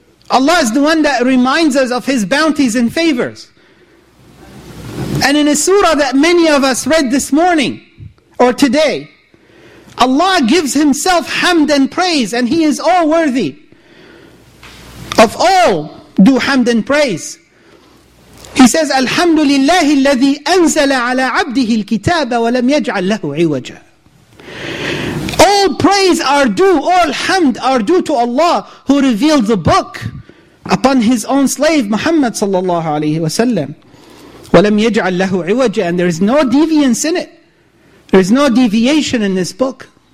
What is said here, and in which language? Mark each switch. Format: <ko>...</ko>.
<en>Allah is the one that reminds us of His bounties and favors. And in a surah that many of us read this morning, or today, Allah gives Himself hamd and praise, and He is all worthy of all do hamd and praise. He says,</en> <ar>الحمد لله الذي أنزل على عبده الكتاب ولم يجعل له عوجا.</ar> <en>All praise are due, all hamd are due to Allah who revealed the book upon His own slave Muhammad sallallahu alayhi wa sallam.</en> <ar>ولم يجعل له عوجا.</ar> <en>And there is no deviance in it. There is no deviation in this book.</en>